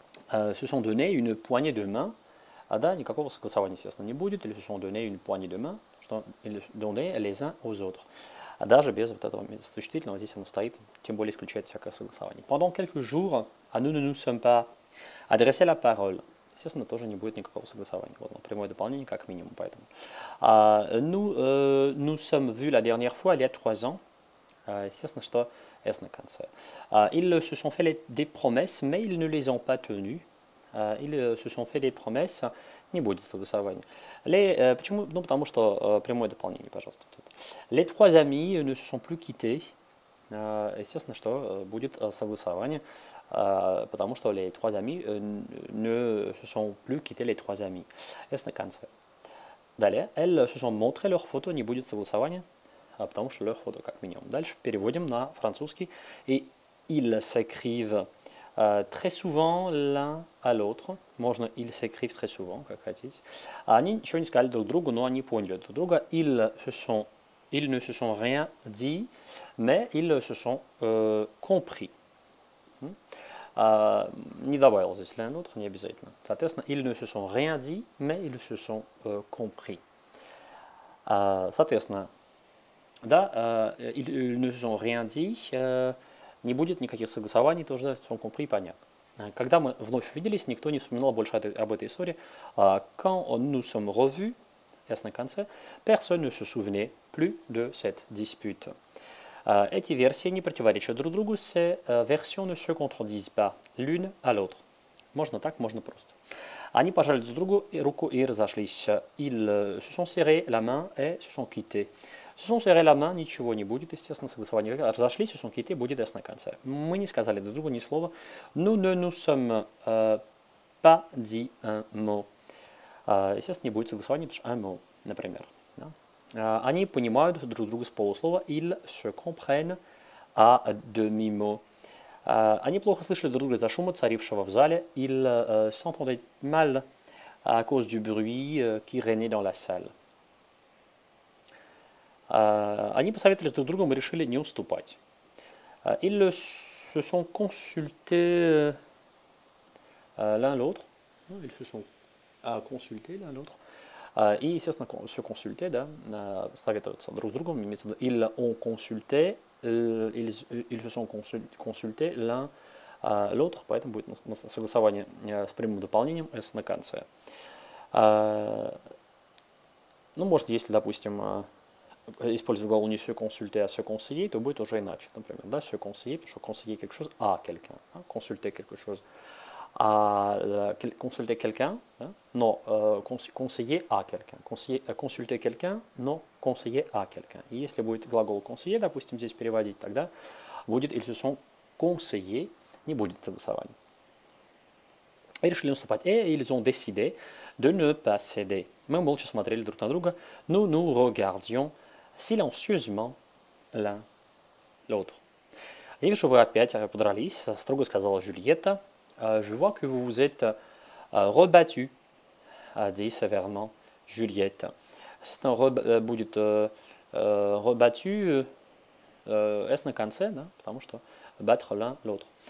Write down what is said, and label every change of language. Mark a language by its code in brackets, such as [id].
[fr] Se sont donné une poignée de main. [ru] А, да, никакого согласования, естественно, не будет. [fr] Ils se sont donné une poignée de main. [ru] Что [fr] ils se sont donné les uns aux autres. [ru] А даже без вот этого существительного, здесь оно стоит, тем более исключает всякое согласование. [fr] Pendant quelques jours, à nous ne nous sommes pas adressé la parole. [ru] Естественно, тоже не будет никакого согласования. Вот прямое дополнение, как минимум, поэтому. [fr] Nous sommes vus la dernière fois, il y a 3 ans. [ru] Естественно, что S на конце. [fr] Ils se sont fait des promesses, mais ils ne les ont pas tenues. Ils se sont fait des promesses. [ru] Не будет согласования. Почему? Ну, потому что прямое дополнение, пожалуйста. Тут. [fr] Les trois amis ne se sont plus quittés. [ru] Естественно, что будет согласование, потому что [fr] les trois amis ne se sont plus quittés, les trois amis. [ru] S на конце. Далее. [fr] Elles se sont montrées leurs photos. [ru] Не будет согласования. Потому что [fr] leur photo, [ru] как минимум. Дальше переводим на французский. [fr] Et ils s'écrivent très souvent l'un à l'autre. [ru] Можно [fr] ils s'écrivent très souvent, [ru] как хотите. Они ничего не сказали друг другу, но они поняли друг друга. [fr] Ils ne se sont rien dit, mais ils se sont compris. [ru] Не добавил здесь l'un à l'autre, не обязательно. Соответственно, [fr] ils ne se sont rien dit, mais ils se sont compris. [ru] Соответственно, да, [fr] ils ne se sont rien dit, [ru] не будет никаких согласований, тоже [fr] sont compris, [ru] понятно. Когда мы вновь виделись, никто не вспоминал больше об этой истории. [fr] Quand nous sommes revus, s [ru] на конце, [fr] personne ne se souvenait plus de cette dispute. [ru] Эти версии не противоречат друг другу, [fr] ces versions ne se contredisent pas l'une à l'autre. [ru] Можно так, можно просто. Они пожали друг другу руку и разошлись. [fr] Ils se sont serrés la main et se sont quittés. Se sont serrés la main, [ru] ничего не будет, естественно, согласование. Разошлись, [fr] se sont quittés, [ru] будет S на конце. Мы не сказали друг другу ни слова. [fr] Nous ne nous sommes pas dit un mot. [ru] Естественно, не будет согласования, потому что un mot, например. Да? Они понимают друг друга с полуслова. [fr] Ils se comprennent à demi-mot. [ru] Они плохо слышали друг друга из-за шума, царившего в зале. [fr] Ils s'entendaient mal à cause du bruit qui régnait dans la salle. [ru] Они посоветовались друг с другом и решили не уступать. [fr] Ils se sont consultés l'un l'autre. Ils se sont consultés l'un l'autre. [ru] И, естественно, se consulter, да, советоваться друг с другом. [fr] Ils ont consulté, ils se sont consultés l'un l'autre. [ru] Поэтому будет согласование с прямым дополнением S на конце. Ну, может, если, допустим, используя глагол не se consulter, а se conseiller, то будет уже иначе. Например, да, [fr] se conseiller, [ru] потому что [fr] conseiller quelque chose à quelqu'un. Hein, consulter quelque chose à consulter quelqu'un, hein, non, conseiller à quelqu'un. Consulter quelqu'un, non, conseiller à quelqu'un. [ru] И если будет глагол conseiller, допустим, здесь переводить, тогда будет [fr] ils se sont conseillés, [ru] не будет согласования. Ils решили уступать. [fr] Et ils ont décidé de ne pas céder. [ru] Мы молча смотрели друг на друга. [fr] Nous nous regardions silencieusement l'un l'autre. [ru] Я вижу, вы опять подрались, строго сказала Джульетта. [fr] Je vois que vous vous êtes rebattu, a dit sévèrement Juliette. C'est un [ru] будет [fr] rebattu, s [ru] на конце, да, потому что [fr] battre l'un l'autre.